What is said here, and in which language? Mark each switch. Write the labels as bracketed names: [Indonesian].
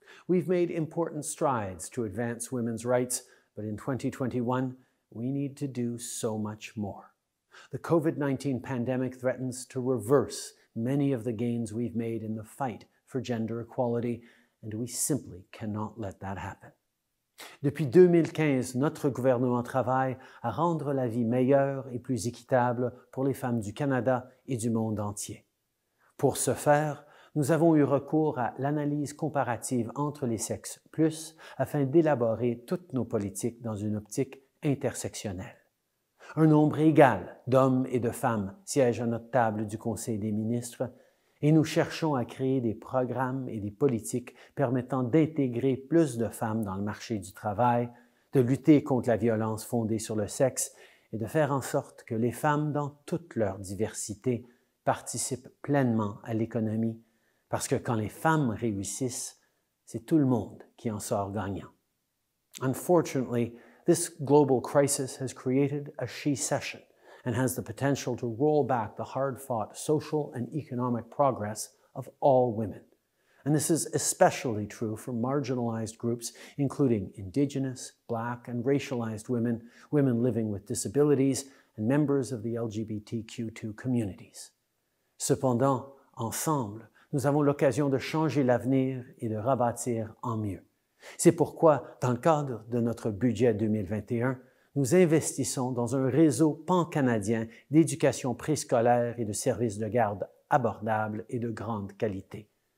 [English] We've made important strides to advance women's rights, but in 2021, we need to do so much more. The COVID-19 pandemic threatens to reverse many of the gains we've made in the fight for gender equality, and we simply cannot let that happen. [French] Depuis 2015, notre gouvernement travaille à rendre la vie meilleure et plus équitable pour les femmes du Canada et du monde entier. Pour ce faire, nous avons eu recours à l'analyse comparative entre les sexes plus afin d'élaborer toutes nos politiques dans une optique intersectionnelle. Un nombre égal d'hommes et de femmes siège à notre table du Conseil des ministres et nous cherchons à créer des programmes et des politiques permettant d'intégrer plus de femmes dans le marché du travail, de lutter contre la violence fondée sur le sexe et de faire en sorte que les femmes, dans toute leur diversité, participent pleinement à l'économie. Parce que quand les femmes réussissent, c'est tout le monde qui en sort gagnant. [English] Unfortunately, this global crisis has created a she session and has the potential to roll back the hard-fought social and economic progress of all women. And this is especially true for marginalized groups, including Indigenous, Black, and racialized women, women living with disabilities, and members of the LGBTQ2 communities. [French] Cependant, ensemble, nous avons l'occasion de changer l'avenir et de rebâtir en mieux. C'est pourquoi, dans le cadre de notre budget 2021, nous investissons dans un réseau pan-canadien d'éducation préscolaire et de services de garde abordables et de grande qualité.